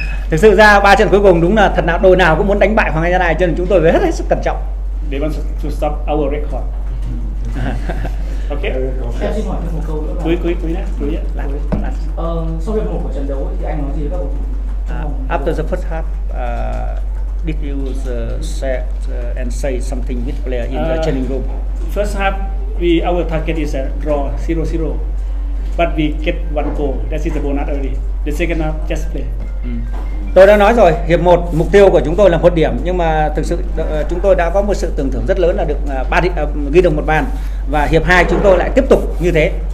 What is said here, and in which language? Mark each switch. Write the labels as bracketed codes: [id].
[vi] Thực sự ra 3 trận cuối cùng đúng là thật nào đội nào cũng muốn đánh bại Hong An Gia Lai cho nên chúng tôi phải hết sức cẩn trọng. [en] They want to stop our record. Okay. After the first half, did you say something with player in the training room? First half, our target is a draw 0-0, but we get one goal. That is the bonus already. The second half, just play. [vi] Tôi đã nói rồi, hiệp 1 mục tiêu của chúng tôi là một điểm nhưng mà thực sự chúng tôi đã có một sự tưởng thưởng rất lớn là được ghi được một bàn và hiệp 2 chúng tôi lại tiếp tục như thế.